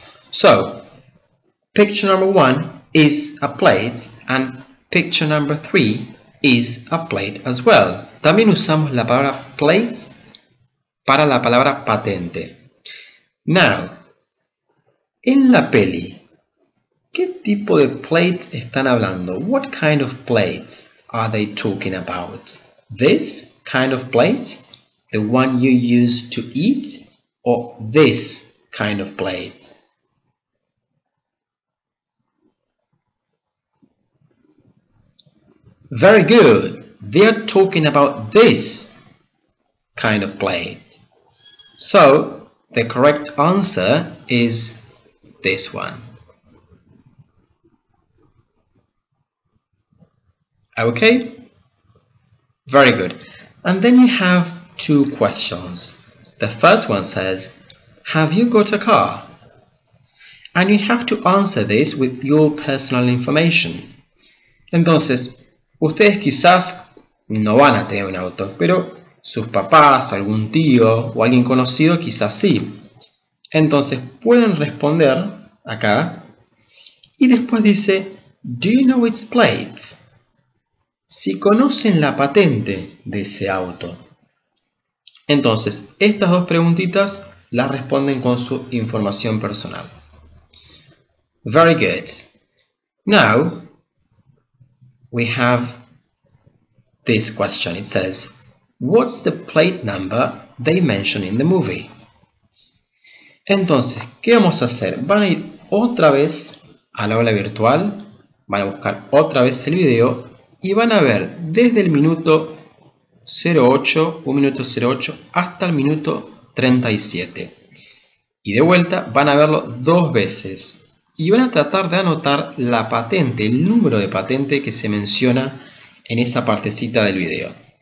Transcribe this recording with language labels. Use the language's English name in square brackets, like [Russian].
[English] So, picture number one is a plate and picture number three is a plate as well. [Spanish] También usamos la palabra plate para la palabra patente. Now, en la peli, ¿qué tipo de plate están hablando? [English] What kind of plate are they talking about? This kind of plate? The one you use to eat? Or this kind of blades. Very good. They are talking about this kind of blade. So the correct answer is this one. Okay, very good. And then you have two questions. The first one says, have you got a car? And you have to answer this with your personal information. [Spanish] Entonces, ustedes quizás no van a tener un auto, pero sus papás, algún tío o alguien conocido quizás sí. Entonces pueden responder acá y después dice, [English] do you know its plates? [Spanish] Si conocen la patente de ese auto. Entonces, estas dos preguntitas las responden con su información personal. [English] Very good. Now, we have this question. It says, what's the plate number they mention in the movie? [Spanish] Entonces, ¿qué vamos a hacer? Van a ir otra vez a la aula virtual, van a buscar otra vez el video y van a ver desde el minuto 08, 1 minuto 08, hasta el minuto 37. Y de vuelta van a verlo dos veces. Y van a tratar de anotar la patente, el número de patente que se menciona en esa partecita del video.